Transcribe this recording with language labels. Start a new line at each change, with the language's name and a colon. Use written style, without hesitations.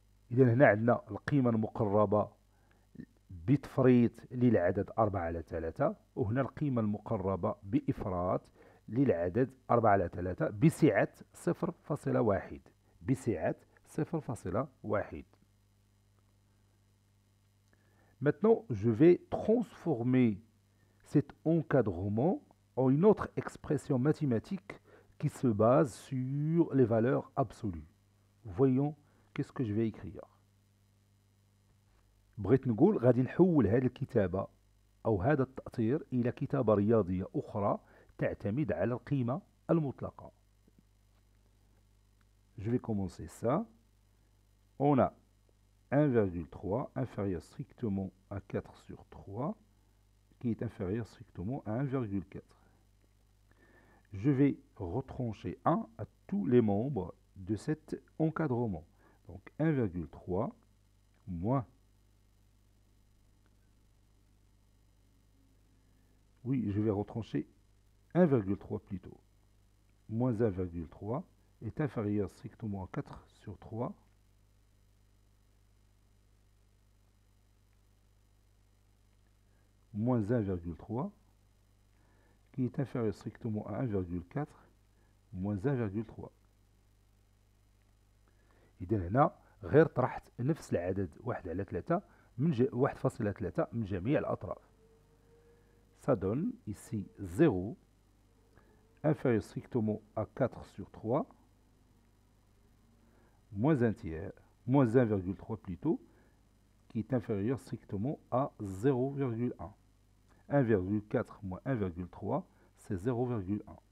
Arabic: إذن هنا عندنا القيمة المقربة بتفريط للعدد 4 على 3، وهنا القيمة المقربة بإفراط للعدد 4 على 3 بسعة 0.1، بسعة 0.1.
French: Maintenant, je vais transformer cet encadrement en une autre expression mathématique qui se base sur les valeurs absolues. Voyons qu'est-ce que je vais écrire.
Arabic: بغيت نقول غادي نحول هذه الكتابة أو هذا التأطير إلى كتابة رياضية أخرى تعتمد على القيمة المطلقة.
French: Je vais commencer ça. On a 1,3 inférieur strictement à 4 sur 3 qui est inférieur strictement à 1,4. Je vais retrancher 1 à tous les membres de cet encadrement. Donc 1,3 moins. Oui, je vais retrancher 1,3 plutôt. Moins 1,3 est inférieur strictement à 4 sur 3. Moins 1,3 qui est inférieur strictement à 1,4. Moins 1,3. Et de là,
Arabic: غير طرحت نفس العدد 1 على 3 من 1.3 من جميع الأطراف.
French: Ça donne ici 0, inférieur strictement à 4 sur 3, moins 1 tiers, moins 1,3 plutôt, qui est inférieur strictement à 0,1. 1,4 moins 1,3, c'est 0,1.